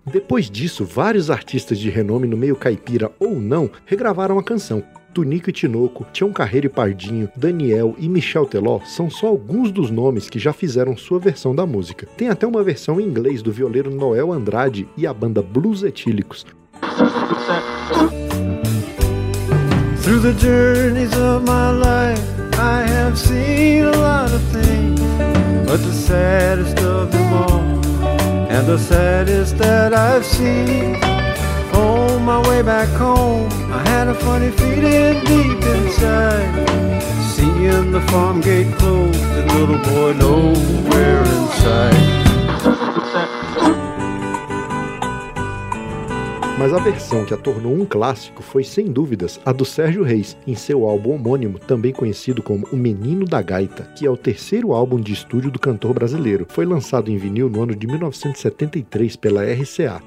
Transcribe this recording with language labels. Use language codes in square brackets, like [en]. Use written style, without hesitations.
[pt] Depois disso, vários artistas de renome no meio caipira ou não regravaram a canção. Tunico e Tinoco, Tião Carreiro e Pardinho, Daniel e Michel Teló são só alguns dos nomes que já fizeram sua versão da música. Tem até uma versão em inglês do violeiro Noel Andrade e a banda Blues Etílicos. [en] Through the journeys of my life, I have seen a lot of things, but the saddest of them all, and the saddest that I've seen, on my way back home, I had a funny feeling deep inside, seeing the farm gate closed, and little boy nowhere in sight. [pt] Mas a versão que a tornou um clássico foi, sem dúvidas, a do Sérgio Reis, em seu álbum homônimo, também conhecido como O Menino da Gaita, que é o terceiro álbum de estúdio do cantor brasileiro. Foi lançado em vinil no ano de 1973 pela RCA.